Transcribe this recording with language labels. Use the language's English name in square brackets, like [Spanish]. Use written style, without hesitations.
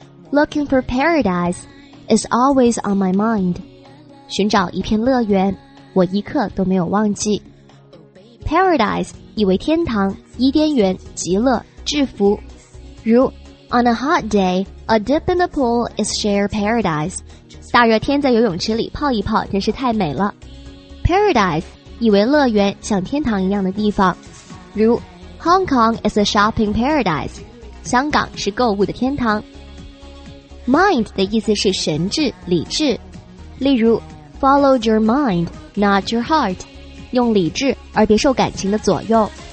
[English] Looking for paradise is always on my mind. [Chinese] 寻找一片乐园，我一刻都没有忘记。 Paradise 意为天堂、伊甸园、极乐、制服。如 [English] On a hot day, a dip in the pool is shared paradise. [Chinese] 大热天在游泳池里泡一泡真是太美了。Paradise 意为乐园，像天堂一样的地方，如 [English] Hong Kong is a shopping paradise， [Chinese] 香港是购物的天堂。 Mind 的意思是神智、理智，例如 [English] Follow your mind, not your heart， [Chinese] 用理智而别受感情的左右。